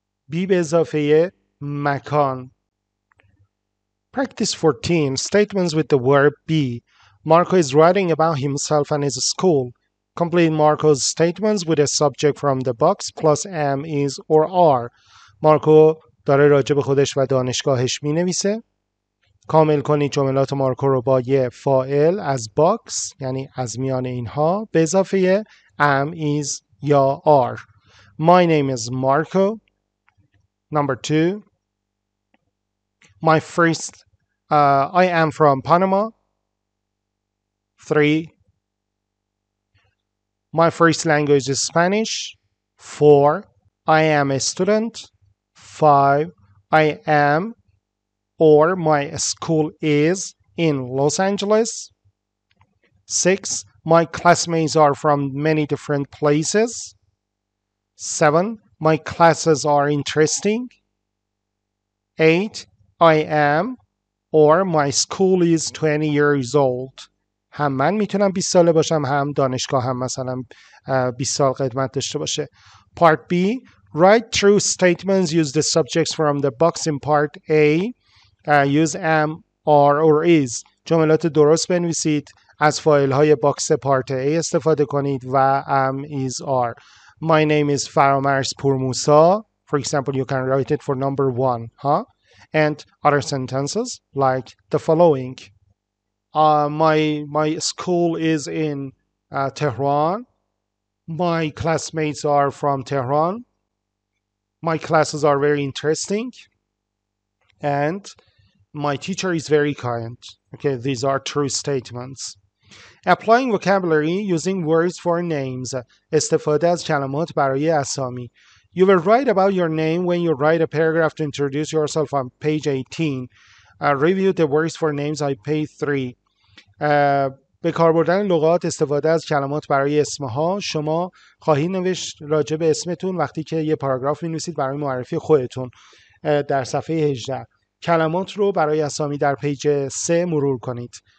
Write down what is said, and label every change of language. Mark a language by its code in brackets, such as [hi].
[fa] B به اضافه مکان. [en] Practice 14. Statements with the verb be. Marco is writing about himself and his school. Complete Marco's statements with a subject from the box plus am, is, or are. [fa] Marco داره راجع به خودش و دانشگاهش می نویسه. کامل کنید جملات مارکو رو با یه فاعل از باکس، یعنی از میان اینها، به اضافه am, is یا are. [en] My name is Marco. Number 2. My first I am from Panama. 3. My first language is Spanish. 4. I am a student. 5. I am or my school is in Los Angeles. 6. My classmates are from many different places. 7. My classes are interesting. 8. I am or my school is 20 years old. [fa] هم من میتونم 20 ساله باشم، هم دانشگاه هم مثلا 20 سال قدمت داشته باشه. [en] Part B. Write true statements. Use the subjects from the box in Part A. Use am, are, or is. [fa] جملات درست بنویسید. از فایل های باکس Part A استفاده کنید و am, is, are. [en] My name is Faramarz Pourmoussa. For example, you can write it for number one. Huh? And other sentences like the following. My school is in Tehran. My classmates are from Tehran. My classes are very interesting. And my teacher is very kind. Okay, these are true statements. Applying vocabulary using words for names. [fa] استفاده از کلمات برای اسامی. [en] You will write about your name when you write a paragraph to introduce yourself on page 18. Review the words for names on page 3. [fa] به کار بردن لغات، استفاده از کلمات برای اسمها، شما خواهید نوشت راجع به اسمتون وقتی که یه پاراگراف می‌نویسید برای معرفی خودتون در صفحه 18. کلمات رو برای اسامی در پیج 3 مرور کنید.